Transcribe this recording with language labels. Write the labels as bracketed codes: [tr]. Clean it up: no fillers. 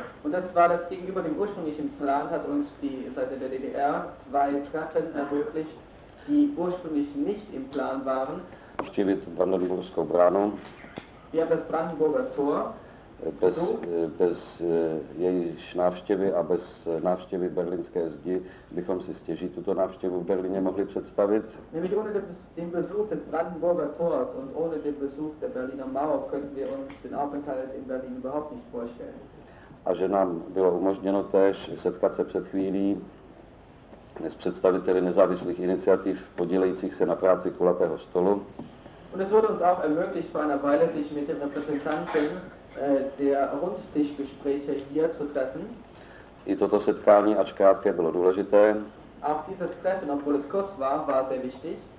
[de] Und das war das gegenüber dem ursprünglichen Plan hat uns die Seite der DDR zwei Treffen ermöglicht, die ursprünglich nicht im Plan waren. [cs] Navštívit Brandenburskou bránu. [de] Wir haben das Brandenburger Tor. [cs] Bez jejich návštěvy a bez návštěvy berlínské zdi bychom si stěží tuto návštěvu v Berlíně mohli představit. [de] Nämlich ohne den Besuch des Brandenburger Tors und ohne den Besuch der Berliner Mauer können wir uns den Aufenthalt in Berlin überhaupt nicht vorstellen. [cs] A že nám bylo umožněno též setkat se před chvílí s představiteli nezávislých iniciativ podílejících se na práci kulatého stolu. [de] Und es wurde uns auch ermöglicht vor einer Weile sich mit den Repräsentanten der Rundtischgespräche hier zu treffen. [cs] I toto setkání, ač krátké, bylo důležité. [de] Auch dieses Treffen, obwohl es kurz war sehr wichtig.